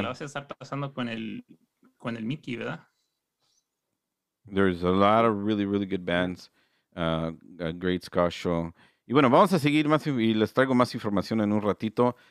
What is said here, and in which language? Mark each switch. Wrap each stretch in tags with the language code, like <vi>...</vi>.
<es>Te la vas a estar pasando con el Mickey, ¿verdad?</es> <en>There's a lot of really, really good bands. A great ska show.</en> <es>Y bueno, vamos a seguir más y les traigo más información en un ratito.</es>